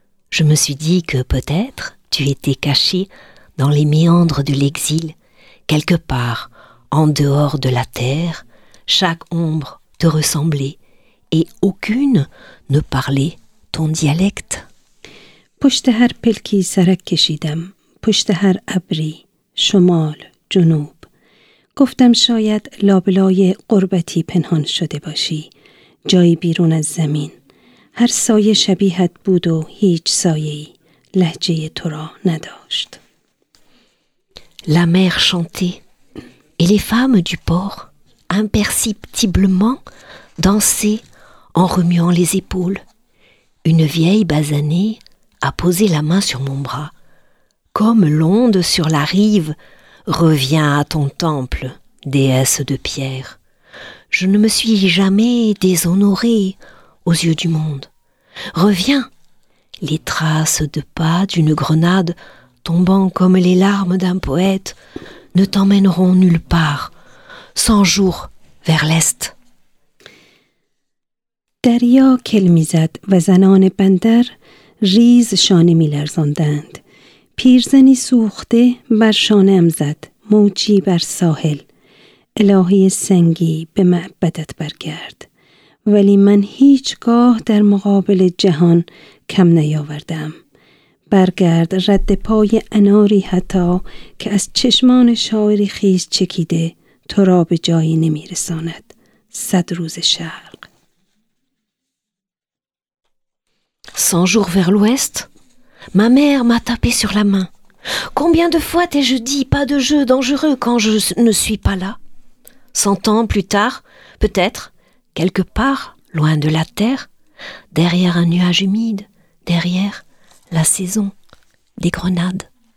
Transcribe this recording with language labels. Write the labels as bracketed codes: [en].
[fr] Je me suis dit que peut-être tu étais caché dans les méandres de l'exil, quelque part, en dehors de la terre, chaque ombre te ressemblait et aucune ne parlait ton dialecte. [fa] پشت هر پلکی سرک کشیدم، پشت هر ابری، شمال، جنوب. گفتم شاید لابلای قربتی پنهان شده باشی، جایی بیرون از زمین. هر سایه شبیهت بود و هیچ سایه‌ای لهجه تو را نداشت. [fr] La mer chantait et les femmes du port imperceptiblement dansaient en remuant les épaules. Une vieille basanée a posé la main sur mon bras. Comme l'onde sur la rive, reviens à ton temple, déesse de pierre. Je ne me suis jamais déshonorée aux yeux du monde. Reviens, les traces de pas d'une grenade tombant comme les larmes d'un poète ne t'emmèneront nulle part, sans jour vers l'est. [fa] دریا کل میزد و زنان بندر ریز شانه میلرزاندند. پیرزنی سوخته بر شانه ام زد، موجی بر ساحل. الهی سنگی به معبدت برگرد. ولی من هیچگاه در مقابل جهان کم نیاوردم. برگرد رد پای اناری حتی که از چشمان شاعری خیز چکیده تو را به جایی نمیرساند. صد روز شهر. [fr] Cent jours vers l'ouest, ma mère m'a tapé sur la main. Combien de fois t'ai-je dit pas de jeu dangereux quand je ne suis pas là? 100 ans plus tard, peut-être, quelque part, loin de la terre, derrière un nuage humide, derrière la saison des grenades.